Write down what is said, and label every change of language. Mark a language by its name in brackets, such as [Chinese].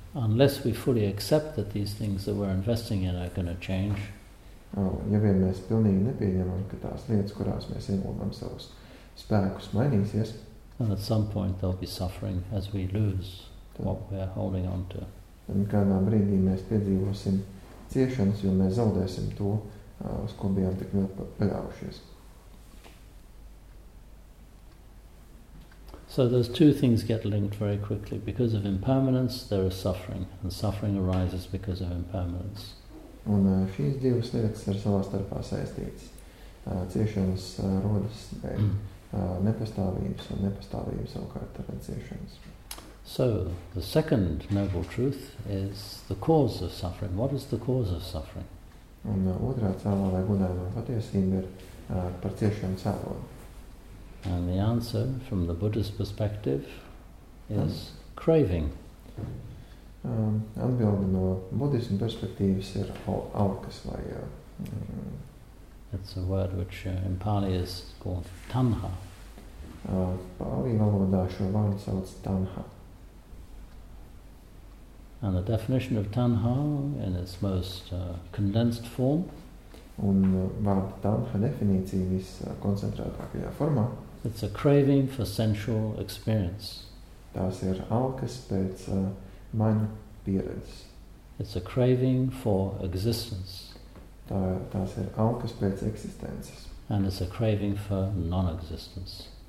[English] Unless we fully accept that these things that we're investing in are going to change. [Latvian] Ja vien mēs pilnīgi nepieņemam, ka tās lietas, kurās mēs ieguldām savus spēkus, mainīsies, [English] and at some point there'll be suffering as we lose what we are holding on to. [Latvian] Un kādā brīdī mēs piedzīvosim ciešanas, jo mēs zaudēsim to, uz ko bijām tik ļoti paļaujušies. [English] So those two things get linked very quickly. Because of impermanence, there is suffering, and suffering arises because of impermanence. [Latvian] Un šīs divas lietas ir savā starpā saistītas. Ciešanas rodas dēļ nepastāvības, un nepastāvības savukārt ir ciešanas. [English] So the second noble truth is the cause of suffering. What is the cause of suffering? [Latvian] Un otrā cēlā vai gudājumā patiesība ir par ciešanu cēlonu. [English] And the answer from the Buddha's perspective is craving. [Latvian] Atbilde no budisma perspektīvas ir alkas vai [English] it's a word which in Pali is called tanha. [Latvian] Pali valodā šo vārdu sauc tanha. [English] And the definition of tanha in its most condensed form. [Latvian] Un vārdu tanha definīcija vis koncentrētākajā formā. [English] It's a craving for sensual experience. [Latvian] Tās ir alkas pēc maņu pieredzes. [English] It's a craving for existence. [Latvian] Tās ir alkas pēc eksistences. [English] And it's a craving for non-existence.